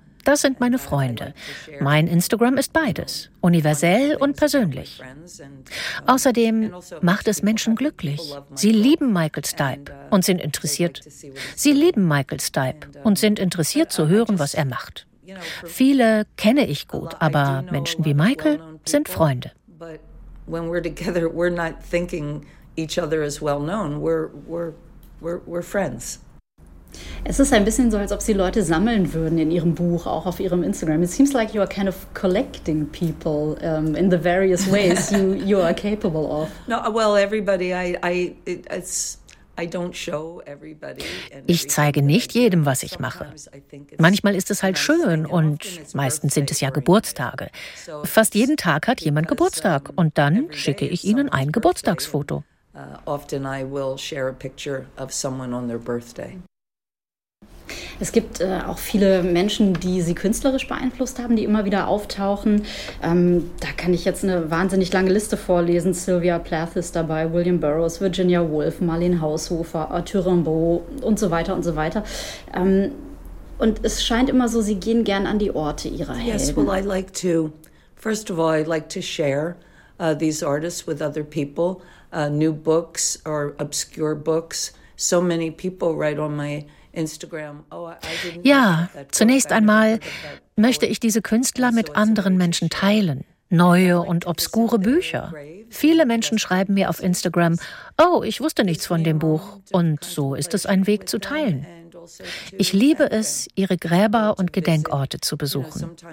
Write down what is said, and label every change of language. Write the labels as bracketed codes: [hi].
[de] Das sind meine Freunde. Mein Instagram ist beides, universell und persönlich. Außerdem macht es Menschen glücklich. Sie lieben Michael Stipe und sind interessiert. Sie lieben Michael Stipe und sind interessiert zu hören, was er macht. Viele kenne ich gut, aber Menschen wie Michael sind Freunde. [en] When we're together, we're not thinking each other as well known. We're friends. [de] Es ist ein bisschen so, als ob Sie Leute sammeln würden in Ihrem Buch, auch auf Ihrem Instagram. [en] It seems like you are kind of collecting people in the various ways you are capable of. No, well, everybody, I don't show everybody. [de] Ich zeige nicht jedem, was ich mache. Manchmal ist es halt schön und meistens sind es ja Geburtstage. Fast jeden Tag hat jemand Geburtstag und dann schicke ich ihnen ein Geburtstagsfoto. [en] Often I will share a picture of someone on their birthday. [de] Es gibt auch viele Menschen, die Sie künstlerisch beeinflusst haben, die immer wieder auftauchen. Da kann ich jetzt eine wahnsinnig lange Liste vorlesen. Sylvia Plath ist dabei, William Burroughs, Virginia Woolf, Marlene Haushofer, Arthur Rimbaud und so weiter und so weiter. Und es scheint immer so, Sie gehen gern an die Orte Ihrer Helden. [en] Yes, well, I like to, first of all, I like to share these artists with other people, new books or obscure books. So many people write on my Instagram. [de] Ja, zunächst einmal möchte ich diese Künstler mit anderen Menschen teilen. Neue und obskure Bücher. Viele Menschen schreiben mir auf Instagram, oh, ich wusste nichts von dem Buch. Und so ist es ein Weg zu teilen. Ich liebe es, ihre Gräber und Gedenkorte zu besuchen.